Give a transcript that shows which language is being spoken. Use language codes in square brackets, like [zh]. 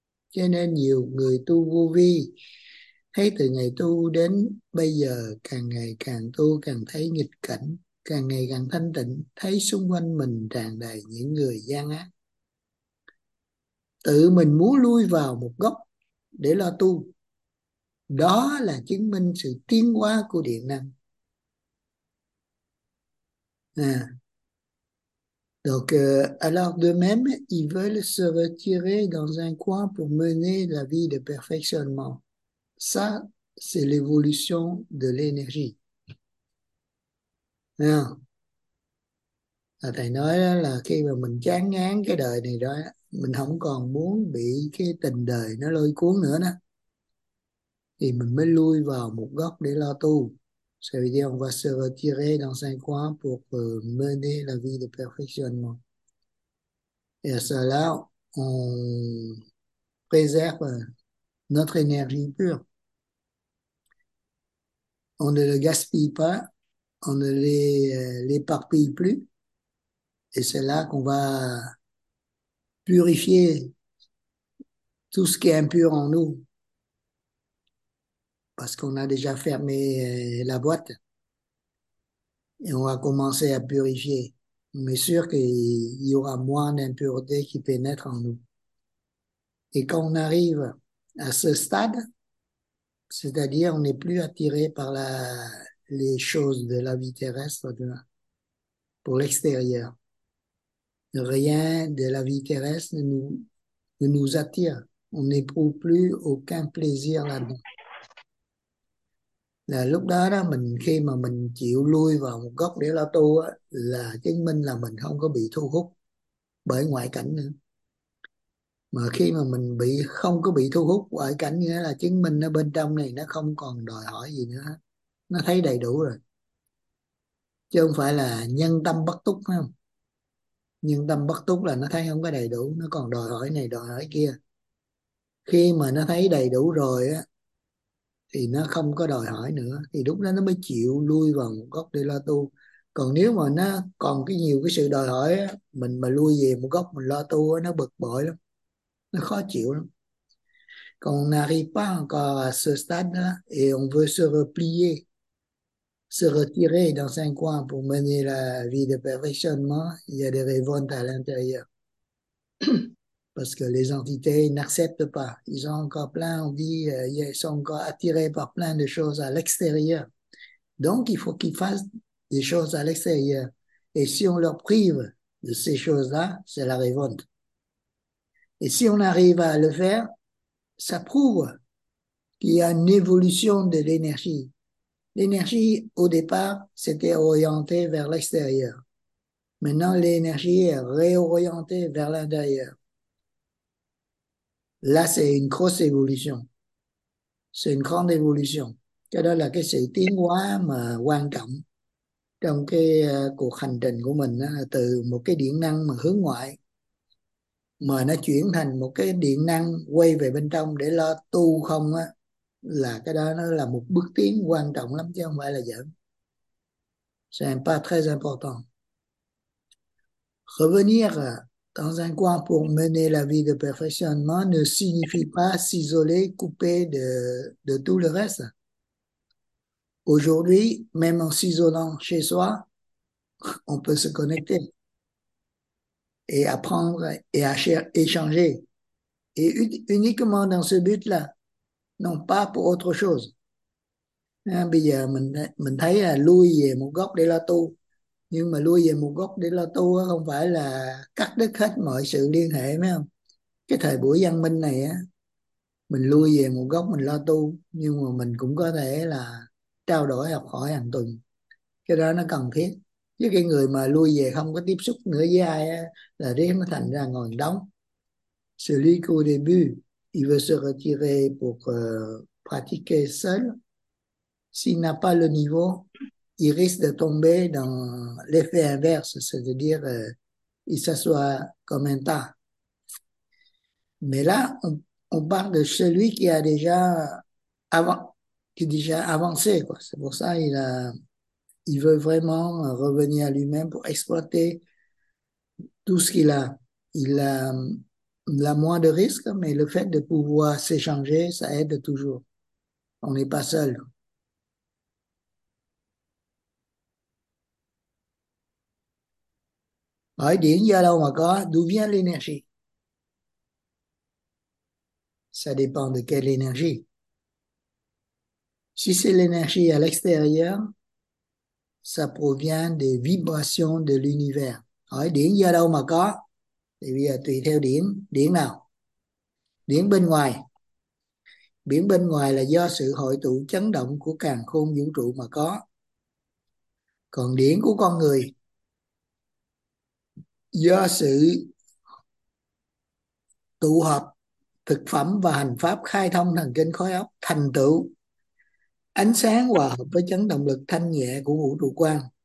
[vi] Cho nên nhiều người tu vô vi, thấy từ ngày tu đến bây giờ càng ngày càng tu càng thấy nghịch cảnh, càng ngày càng thanh tịnh, thấy xung quanh mình tràn đầy những người gian ác. Tự mình muốn lui vào một góc để lo tu, đó là chứng minh sự tiến hóa của điện năng. À. [fr] Donc, alors de même, ils veulent se retirer dans un coin pour mener la vie de perfectionnement. Ça, c'est l'évolution de l'énergie. À. [vi] À, thầy nói đó là khi mà mình chán ngán cái đời này đó, mình không còn muốn bị cái tình đời nó lôi cuốn nữa đó, thì mình mới lui vào một góc để lo tu. Sau đó ông [fr] va se retirer dans un coin pour mener la vie de perfectionnement. Et à cela, on préserve notre énergie pure. On ne le gaspille pas, on ne l'éparpille plus. Et c'est là qu'on va purifier tout ce qui est impur en nous. Parce qu'on a déjà fermé la boîte et on va commencer à purifier. Mais sûr qu'il y aura moins d'impuretés qui pénètrent en nous. Et quand on arrive à ce stade, c'est-à-dire on n'est plus attiré par les choses de la vie terrestre pour l'extérieur. Rien de la vie terrestre ne nous attire. On n'éprouve plus aucun plaisir là-dedans. [vi] Là lúc đó đó mình, khi mà mình chịu lui vào một góc để lo tu á, là chứng minh là mình không có bị thu hút bởi ngoại cảnh nữa. Mà khi mà mình bị không có bị thu hút ngoại cảnh, nghĩa là chứng minh ở bên trong này nó không còn đòi hỏi gì nữa, nó thấy đầy đủ rồi, chứ không phải là nhân tâm bất túc, phải không? Nhân tâm bất túc là nó thấy không có đầy đủ, nó còn đòi hỏi này đòi hỏi kia. Khi mà nó thấy đầy đủ rồi á thì nó không có đòi hỏi nữa, thì lúc đó nó mới chịu lui vào một góc để lo tu. Còn nếu mà nó còn cái nhiều cái sự đòi hỏi á, mình mà lui về một góc mình lo tu á, nó bực bội lắm, nó khó chịu lắm. Còn [fr] on n'arrive pas encore à ce stade là, et on veut se replier, se retirer dans un coin pour mener la vie de perfectionnement, il y a des révoltes à l'intérieur. Parce que les entités n'acceptent pas. Ils ont encore plein envie, ils sont encore attirés par plein de choses à l'extérieur. Donc, il faut qu'ils fassent des choses à l'extérieur. Et si on leur prive de ces choses-là, c'est la révolte. Et si on arrive à le faire, ça prouve qu'il y a une évolution de l'énergie. L'énergie, au départ, c'était orientée vers l'extérieur. Maintenant, l'énergie est réorientée vers l'intérieur. Là, c'est une grosse évolution. C'est une grande évolution. [vi] Cái đó là cái sự tiến hóa mà quan trọng trong cái cuộc hành trình của mình đó, từ một cái điện năng mà hướng ngoại mà nó chuyển thành một cái điện năng quay về bên trong để lo tu không á, là cái đó nó là một bước tiến quan trọng lắm chứ không phải là giỡn. [fr] C'est pas très important. Revenir dans un coin pour mener la vie de perfectionnement ne signifie pas s'isoler, couper de tout le reste. Aujourd'hui, même en s'isolant chez soi, on peut se connecter et apprendre et à échanger. Et uniquement dans ce but-là, non pas pour autre chose. [vi] Bây giờ mình thấy là lui về một góc để lo tu, Nhưng mà lui về một góc để lo tu, không phải là cắt đứt hết mọi sự liên hệ, phải không? Cái thời buổi văn minh này á, mình lui về một góc mình lo tu, nhưng mà mình cũng có thể là trao đổi học hỏi hàng tuần, cái đó nó cần thiết. Chứ cái người mà lui về không có tiếp xúc nữa với ai á, là riết nó thành ra ngồi đóng. [fr] Celui qu'au début, il veut se retirer pour pratiquer seul, s'il n'a pas le niveau, il risque de tomber dans l'effet inverse, c'est-à-dire il s'assoit comme un tas. Mais là, on parle de celui qui a déjà qui a déjà avancé, quoi. C'est pour ça il veut vraiment revenir à lui-même pour exploiter tout ce qu'il a. Il a moins de risques, mais le fait de pouvoir s'échanger, ça aide toujours. On n'est pas seul. [vi] Hỏi điện do đâu mà có, [fr] d'où vient l'énergie? Ça dépend de quelle énergie. Si c'est l'énergie à l'extérieur, ça provient des vibrations de l'univers. [vi] Hỏi điện do đâu mà có? Thì bây giờ tùy theo điển, điển nào? Điển bên ngoài. Điển bên ngoài là do sự hội tụ chấn động của càn khôn vũ trụ mà có. Còn điển của con người, do sự tụ hợp thực phẩm và hành pháp khai thông thần kinh khối óc, thành tựu ánh sáng hòa hợp với chấn động lực thanh nhẹ của vũ trụ quan.